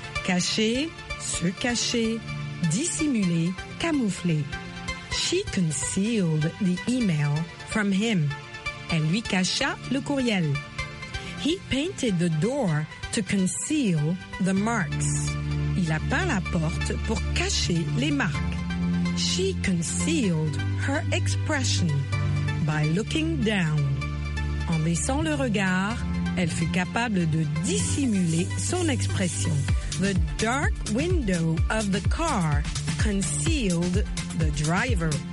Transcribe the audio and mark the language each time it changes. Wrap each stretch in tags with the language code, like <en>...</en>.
<fr>Cacher, se cacher, dissimuler, camoufler.</fr> <en>She concealed the email from him.</en> <fr>Elle lui cacha le courriel.</fr> <en>He painted the door to conceal the marks.</en> <fr>Il a peint la porte pour cacher les marques.</fr> <en>She concealed her expression by looking down.</en> <fr>En baissant le regard, elle fut capable de dissimuler son expression.</fr> <en>The dark window of the car concealed the driver.</en>